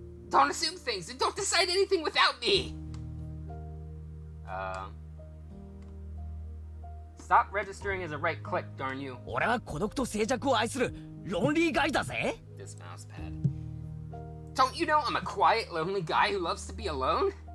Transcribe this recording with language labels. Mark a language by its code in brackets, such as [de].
[en] Don't assume things and don't decide anything without me! Stop registering as a right click, darn you. [ja] 俺は孤独と静寂を愛するロンリーガイだぜ! [en] This mouse pad. Don't you know I'm a quiet, lonely guy who loves to be alone?